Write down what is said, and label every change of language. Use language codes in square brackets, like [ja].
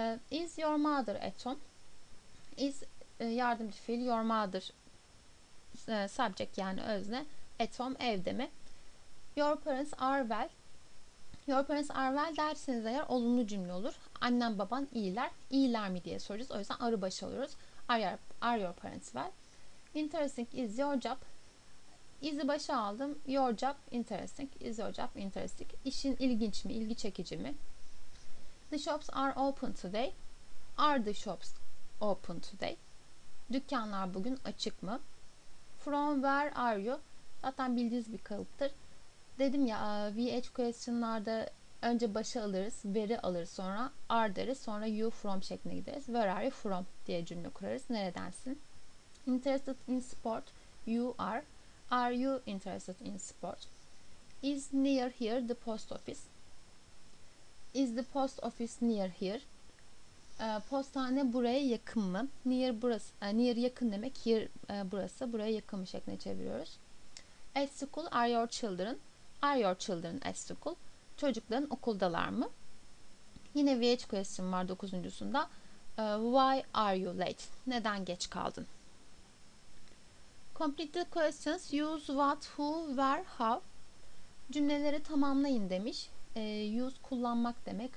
[en] Is your mother at home? Is [tr] yardımcı fiil. [en] Your mother subject [tr] yani özne. [en] At home [tr] evde mi? [en] Your parents are well. Your parents are well [tr] derseniz eğer olumlu cümle olur. Annem baban iyiler. İyiler mi diye soracağız. O yüzden arı başı alıyoruz. [en] Are your parents well? Interesting is your job. [tr] Is'i başa aldım. [en] Your job interesting. Is your job interesting. [tr] İşin ilginç mi? İlgi çekici mi? [en] The shops are open today. Are the shops open today? [tr] Dükkanlar bugün açık mı? [en] From where are you? [tr] Zaten bildiğiniz bir kalıptır. Dedim ya VH question'larda önce başa alırız, where'i alırız, sonra are deriz, sonra you from şeklinde gideriz. [en] Where are you from [tr] diye cümle kurarız. Neredensin? [en] Interested in sport. You are. Are you interested in sport? Is near here the post office? Is the post office near here? [tr] Postane buraya yakın mı? Near burası, near yakın demek. Here burası, buraya yakın mı şeklinde çeviriyoruz. [en] At school are your children? Are your children at school? [tr] Çocukların okuldalar mı? [en] Yine VH question [tr] var 9.sunda. [en] Why are you late? [tr] Neden geç kaldın? [en] Complete the questions. Use what, who, where, how. [tr] Cümleleri tamamlayın demiş. Use kullanmak demek.